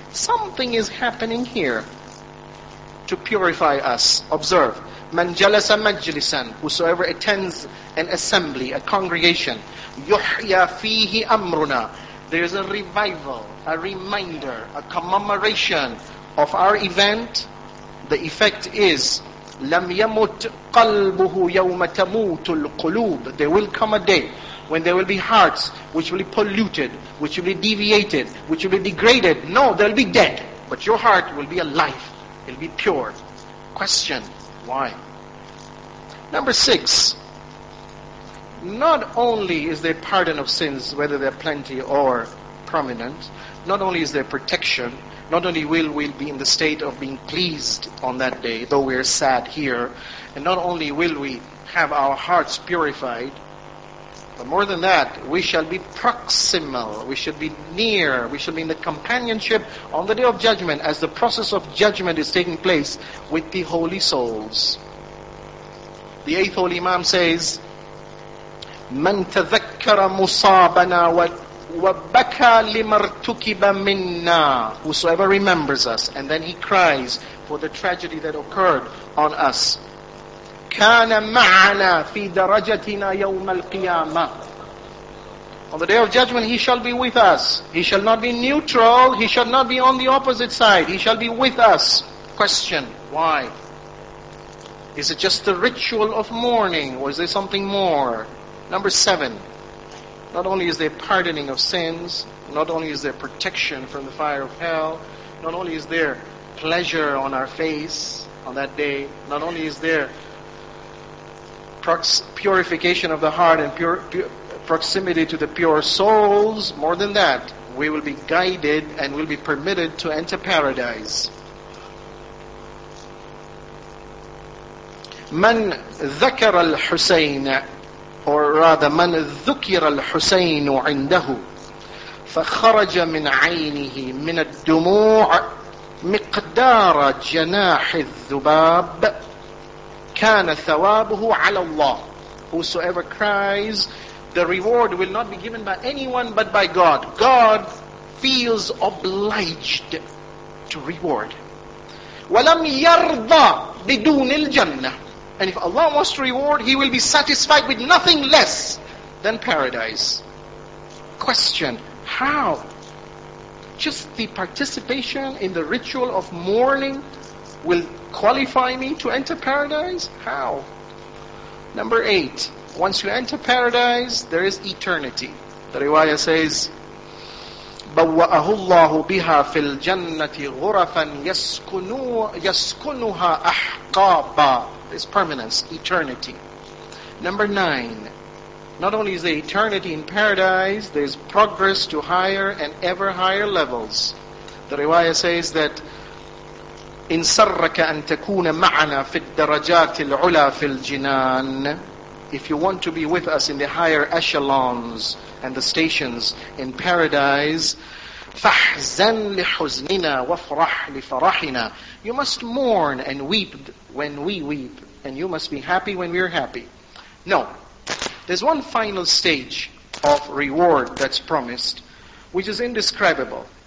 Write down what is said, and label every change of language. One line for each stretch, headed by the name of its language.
English: Something is happening here to purify us. Observe.
Arabic: من جلس مجلسا,
English: whosoever attends an assembly, a congregation,
Arabic: يحيى فيه أمرنا.
English: There is a revival, a reminder, a commemoration of our event. The effect is,
Arabic: لم يمت قلبه يوم تموت القلوب.
English: There will come a day when there will be hearts which will be polluted, which will be deviated, which will be degraded. No, they'll be dead. But your heart will be alive. It'll be pure. Question, why? Number six, not only is there pardon of sins, whether they're plenty or prominent, not only is there protection, not only will we be in the state of being pleased on that day, though we're sad here, and not only will we have our hearts purified, but more than that, we shall be proximal, we should be near, we shall be in the companionship on the day of judgment as the process of judgment is taking place with the holy souls. The eighth holy Imam says,
Arabic: من تذكر مصابنا وبكى لما ارتكب منا.
English: Whosoever remembers us, and then he cries for the tragedy that occurred on us.
Arabic: كان معنا في درجتنا يوم القيامة.
English: On the day of judgment, he shall be with us. He shall not be neutral. He shall not be on the opposite side. He shall be with us. Question, why? Is it just the ritual of mourning? Or is there something more? Number seven, not only is there pardoning of sins, not only is there protection from the fire of hell, not only is there pleasure on our face on that day, not only is there purification of the heart and proximity to the pure souls, more than that, we will be guided and will be permitted to enter paradise.
Arabic: من ذكر الحسين,
English: or rather,
Arabic: من ذكر الحسين عنده فخرج من عينه من الدموع مقدار جناح الذباب كان ثوابه على الله.
English: Whosoever cries, the reward will not be given by anyone but by God. God feels obliged to reward.
Arabic: ولم يرضى بدون الجنة.
English: And if Allah wants to reward, He will be satisfied with nothing less than paradise. Question, how? Just the participation in the ritual of mourning will qualify me to enter paradise? How? Number eight, once you enter paradise, there is eternity. The riwayah says,
Arabic: بَوَّأَهُ اللَّهُ بِهَا فِي الْجَنَّةِ غُرَفًا يَسْكُنُهَا أَحْقَابًا.
English: This permanence, eternity. Number nine, not only is there eternity in paradise, there is progress to higher and ever higher levels. The riwayah says that,
Arabic: إِنْ سَرَّكَ أَن تَكُونَ مَعَنَا فِي الدَّرَجَاتِ الْعُلَى فِي الْجِنَانِ.
English: If you want to be with us in the higher echelons and the stations in paradise,
Arabic: فَحْزَنْ لِحُزْنِنَا وَفْرَحْ لِفَرَحِنَا.
English: You must mourn and weep when we weep, and you must be happy when we are happy. No, there's one final stage of reward that's promised, which is indescribable.